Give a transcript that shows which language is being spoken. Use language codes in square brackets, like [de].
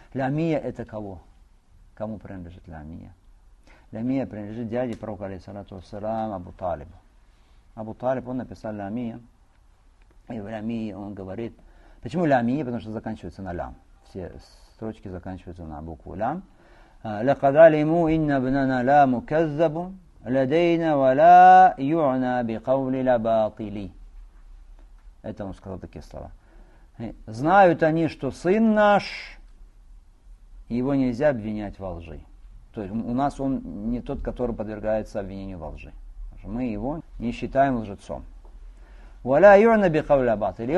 [ru] Ламия это кого? Кому принадлежит Ламия? Ламия принадлежит дяде пророка, алейхиссалату вассалам, Абу Талибу. Абу Талиб, он написал Ламия. И в Ламии он говорит, почему Ламия? Потому что заканчивается на Лям. Все строчки заканчиваются на букву Лям. [ar] لقد علموا إن ابننا لا مكذب لدينا ولا يعنى بقول لباطلي. [ru] Это он сказал такие слова. Знают они, что сын наш, его нельзя обвинять во лжи. То есть у нас он не тот, который подвергается обвинению во лжи. Мы его не считаем лжецом. [ar] ولا يعنى بقول لباطلي.